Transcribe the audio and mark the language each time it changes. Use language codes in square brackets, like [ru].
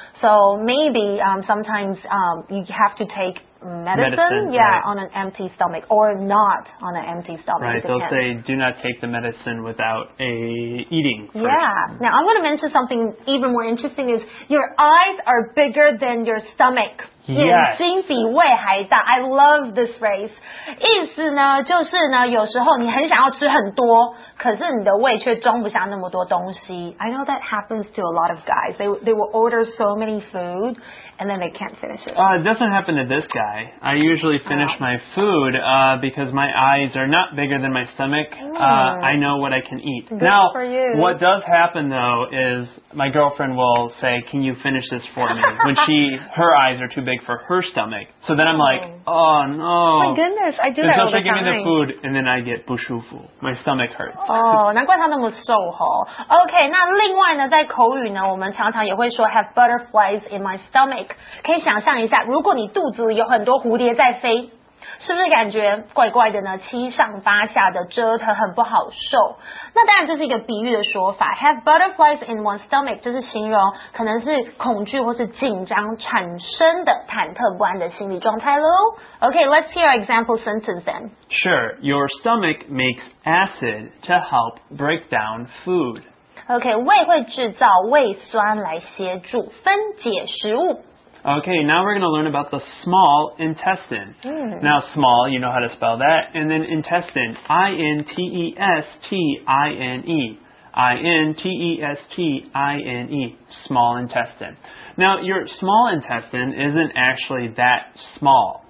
[en] So maybe sometimes you have to take medicine yeah, on an empty stomach or not on an empty stomach. Right, they'll say do not take the medicine without eating first. Yeah, now I'm going to mention something even more interesting is your eyes are bigger than your stomach. Yes. [zh] 眼睛比胃还大。 [en] I love this phrase. [zh] 意思呢就是呢有时候你很想要吃很多，可是你的胃却装不下那么多东西。 [en] I know that happens to a lot of guys. They will order so many food and then they can't finish it. It doesn't happen to this guy. I usually finish my food because my eyes are not bigger than my stomach. I know what I can eat. Good now, for you. What does happen though is my girlfriend will say, can you finish this for me? When her eyes are too big for her stomach. So then I'm like, oh no. Oh my goodness, I do that all the time. Give me the food and then I get 不舒服. My stomach hurts. [zh] 难怪他那么瘦齁。OK, 那另外呢在口语呢我们常常也会说 [en] have butterflies in my stomach。 [zh] 可以想象一下如果你肚子里有很多蝴蝶在飞，是不是感觉怪怪的呢，七上八下的折腾很不好受。那当然这是一个比喻的说法， [en] have butterflies in one stomach [zh] 就是形容可能是恐惧或是紧张产生的忐忑不安的心理状态咯。 [en] OK, let's hear our example sentence then. Sure, your stomach makes acid to help break down food. [zh] OK, 胃会制造胃酸来协助分解食物。 [en] Okay, now we're going to learn about the small intestine. Now, small, you know how to spell that. And then intestine, I-N-T-E-S-T-I-N-E. intestine, small intestine. Now, your small intestine isn't actually that small.